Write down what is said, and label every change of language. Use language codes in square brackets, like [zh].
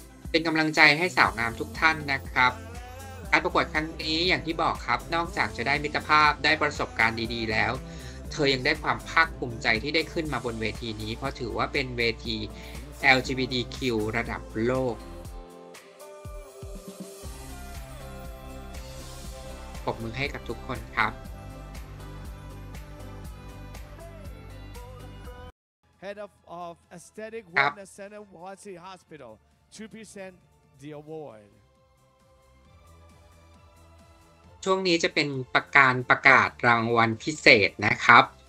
[th] เป็นกำลังใจให้สาวงามทุกท่านนะครับการประกวดครั้งนี้อย่างที่บอกครับนอกจากจะได้มิตรภาพได้ประสบการณ์ดีๆแล้วเธอยังได้ความภาคภูมิใจที่ได้ขึ้นมาบนเวทีนี้เพราะถือว่าเป็นเวที LGBTQ ระดับโลกปรบมือให้กับทุกคนครับ [en] Head of Aesthetic Wellness Center, Watsi Hospital, to present the award. [th] ช่วงนี้จะเป็นประการประกาศรางวัลพิเศษนะครับ